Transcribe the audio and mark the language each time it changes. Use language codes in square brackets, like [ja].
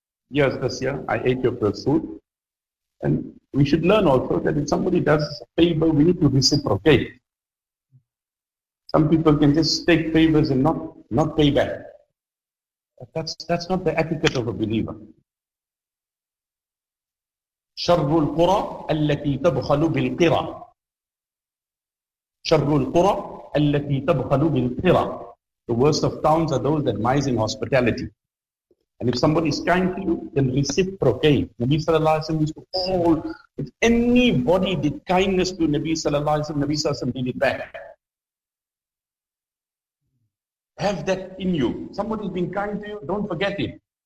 [en] Yes, this year I ate your first food. And we should learn also that if somebody does favor, we need to reciprocate. Some people can just take favors and not pay back. But that's not the etiquette of a believer. [ar] شر القرى التي تبخل بالقرى. شر القرى التي تبخل بالقرى. [en] The worst of towns are those that mice in hospitality. And if somebody is kind to you, then reciprocate. Nabi Sallallahu Alaihi Wasallam used to call. If anybody did kindness to Nabi Sallallahu Alaihi Wasallam, Nabi Sallallahu Alaihi Wasallam did it back. Have that in you. Somebody's been kind to you, don't forget it.